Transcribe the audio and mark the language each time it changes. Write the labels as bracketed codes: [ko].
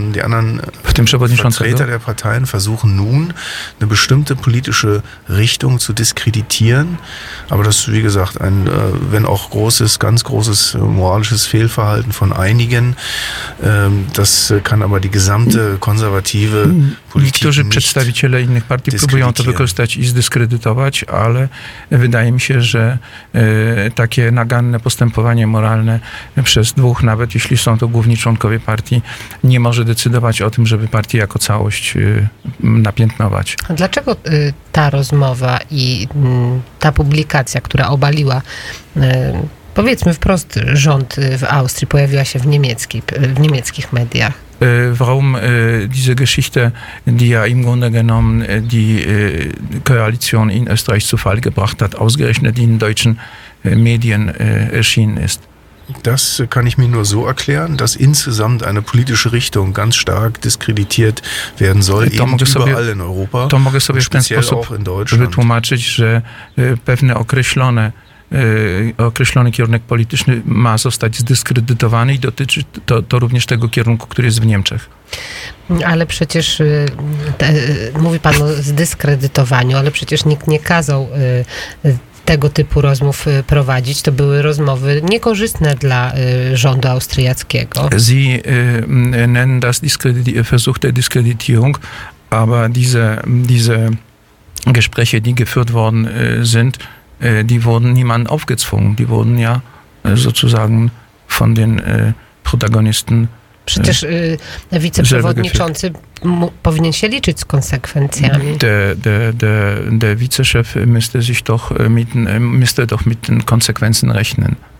[de] Vertreter der Parteien versuchen nun, eine bestimmte politische Richtung zu diskreditieren. Aber das ist, wie gesagt, ein, wenn auch großes, ganz großes moralisches Fehlverhalten von einigen. Das kann aber die gesamte konservative Politik nicht [pl] przedstawiciele innych partii próbują to wykorzystać i zdyskredytować, ale wydaje mi się, że takie naganne postępowanie moralne przez dwóch, nawet jeśli są to główni członkowie partii, nie może decydować o tym, żeby partii jako całość napiętnować. A dlaczego ta rozmowa i ta publikacja, która obaliła Powiedzmy wprost, rząd w Austrii pojawiła się w niemieckich mediach. [de] Warum diese Geschichte, die ja im Grunde genommen die Koalition in Österreich zu Fall gebracht hat, ausgerechnet in deutschen Medien erschienen ist? Das kann ich mir nur so erklären, dass insgesamt eine politische Richtung ganz stark diskreditiert werden soll, überall in Europa, [pl] to mogę sobie w ten sposób [de] auch in Deutschland. [pl] Wytłumaczyć, że pewne określone określony kierunek polityczny ma zostać zdyskredytowany i dotyczy to, to również tego kierunku, który jest w Niemczech. Ale przecież mówi pan o zdyskredytowaniu, ale przecież nikt nie kazał tego typu rozmów prowadzić. To były rozmowy niekorzystne dla rządu austriackiego. [de] Sie nennen das versuchte Diskreditierung, aber diese Gespräche, die geführt worden sind, die wurden niemandem aufgezwungen, die wurden ja sozusagen von den Protagonisten. [pl] Przecież wiceprzewodniczący powinien się liczyć z konsekwencjami. [de] Der Vizechef müsste doch mit den Konsequenzen rechnen.